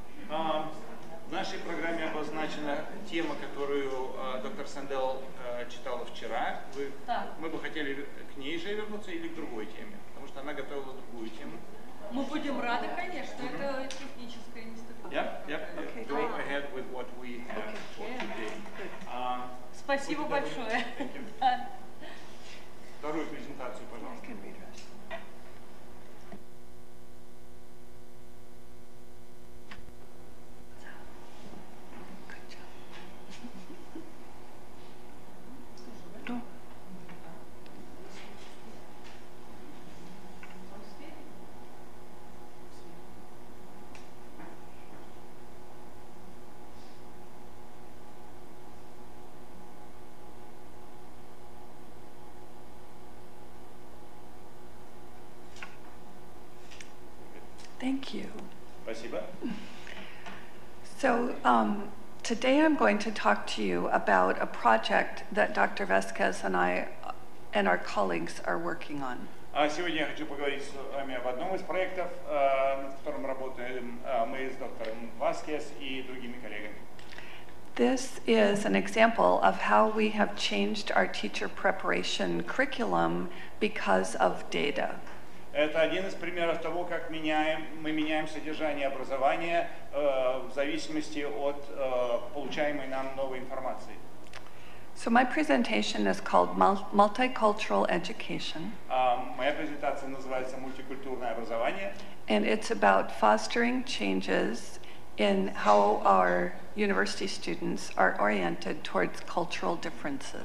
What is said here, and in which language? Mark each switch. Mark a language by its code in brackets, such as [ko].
[ru] В нашей программе обозначена тема, которую доктор Сандел читал вчера. Мы бы хотели к ней же вернуться или к другой теме, потому что она готовила другую тему. Мы будем рады, конечно, это техническая институция. Yep. [en] Okay. Go ahead with what we have for today. [ru] Спасибо большое. Вторую презентацию, пожалуйста. [en] Thank you. [ru] Спасибо. [en] So today I'm going to talk to you about a project that Dr. Vasquez and I and our colleagues are working on. [ru] Сегодня я хочу поговорить с вами об одном из проектов, над которым работаем мы с доктором Vasquez и другими коллегами. [en] This is an example of how we have changed our teacher preparation curriculum because of data. [ru] Это один из примеров того, как мы меняем содержание образования в зависимости от получаемой нам новой информации. [en] So my presentation is called Multicultural Education. [ru] Моя презентация называется «Мультикультурное образование». [en] And it's about fostering changes in how our university students are oriented towards cultural differences.